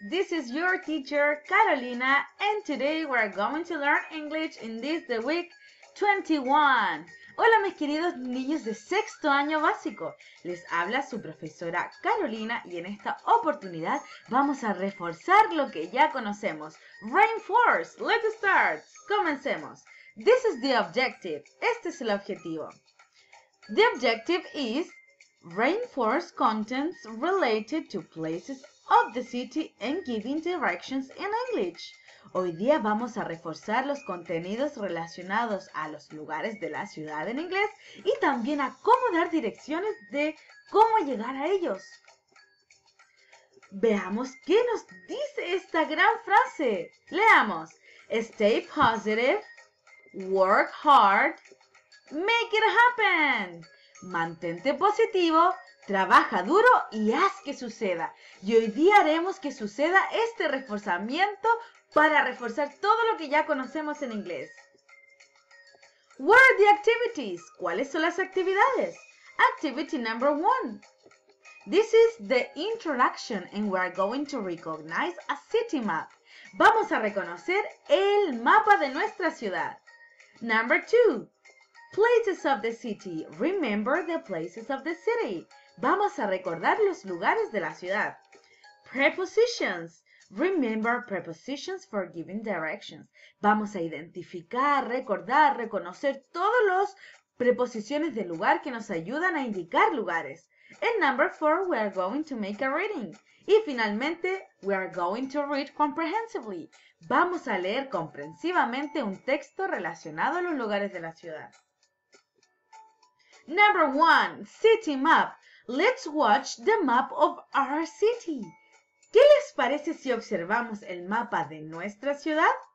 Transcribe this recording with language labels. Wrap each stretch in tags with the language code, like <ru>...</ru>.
<en>This is your teacher, Carolina, and today we are going to learn English in this the week 21.</en> <es>Hola, mis queridos niños de sexto año básico. Les habla su profesora Carolina y en esta oportunidad vamos a reforzar lo que ya conocemos.</es> <en>Reinforce! Let's start!</en> <es>Comencemos.</es> <en>This is the objective.</en> <es>Este es el objetivo.</es> <en>The objective is reinforce contents related to places of the city and giving directions in English.</en> <es>Hoy día vamos a reforzar los contenidos relacionados a los lugares de la ciudad en inglés y también a cómo dar direcciones de cómo llegar a ellos. Veamos qué nos dice esta gran frase. Leamos.</es> <en>Stay positive, work hard, make it happen.</en> <es>Mantente positivo, trabaja duro y haz que suceda. Y hoy día haremos que suceda este reforzamiento para reforzar todo lo que ya conocemos en inglés.</es> <en>What are the activities?</en> <es>¿Cuáles son las actividades?</es> <en>Activity number one. This is the introduction and we are going to recognize a city map.</en> <es>Vamos a reconocer el mapa de nuestra ciudad.</es> <en>Number two. Places of the city. Remember the places of the city.</en> <es>Vamos a recordar los lugares de la ciudad. Prepositions.</es> <en>Remember prepositions for giving directions.</en> <es>Vamos a identificar, recordar, reconocer todas las preposiciones de lugar que nos ayudan a indicar lugares.</es> <en>And number four, we are going to make a reading.</en> <es>Y finalmente,</es> <en>we are going to read comprehensively.</en> <es>Vamos a leer comprensivamente un texto relacionado a los lugares de la ciudad.</es> <en>Number one, city map. Let's watch the map of our city.</en> <es>¿Qué les parece si observamos el mapa de nuestra ciudad?</es>